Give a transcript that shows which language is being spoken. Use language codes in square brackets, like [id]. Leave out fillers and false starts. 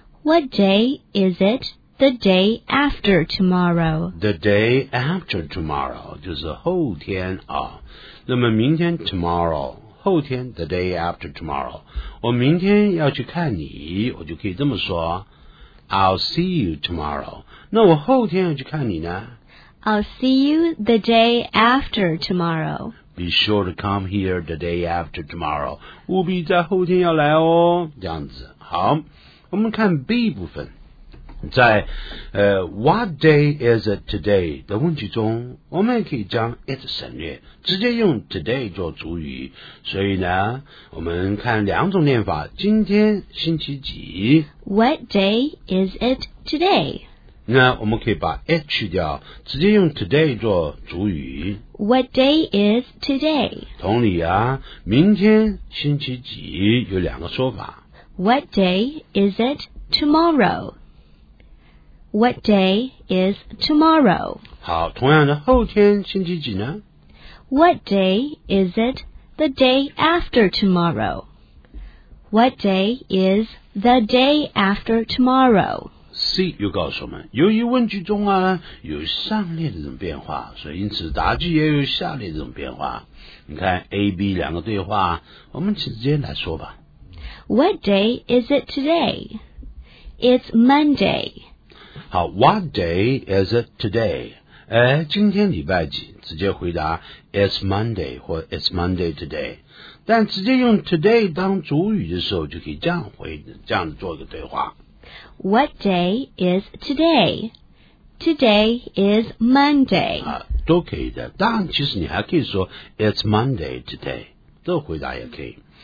[en] What day is itThe day after tomorrow. The day after tomorrow [zh] 就是后天啊。那么明天 tomorrow， 后天 [en] the day after tomorrow。 [zh] 我明天要去看你，我就可以这么说 ， [en] I'll see you tomorrow。 [zh] 那我后天要去看你呢 [en] ？I'll see you the day after tomorrow. Be sure to come here the day after tomorrow. [zh] 务必在后天要来哦，这样子。好，我们看 B 部分。在 [en] What day is it today [zh] 的问题中，我们也可以将 it 省略，直接用 today 做主语。所以呢，我们看两种念法，今天星期几 [en] What day is it today？ [zh] 那我们可以把 it 去掉，直接用 today 做主语。 [en] What day is today？ [zh] 同理啊，明天星期几有两个说法。 [en] What day is it tomorrow？ What day is tomorrow? [zh] 好，同样的，后天星期几呢？ [en] What day is it the day after tomorrow? What day is the day after tomorrow? [zh] C 又告诉我们，由于问句中啊有上列这种变化，所以因此答句也有下列这种变化。你看 A、B 两个对话，我们直接来说吧。 [en] What day is it today? It's Monday. 好 ，What day is it today？ [zh] 哎，今天礼拜几？直接回答 [en] It's Monday 或 It's Monday today。 [zh] 但直接用 today 当主语的时候，就可以这样回，这样做一个对话。 [en] What day is today？ Today is Monday。 [zh] 啊，都可以的。当然，其实你还可以说 [en] It's Monday today。 [zh] 这个回答也可以。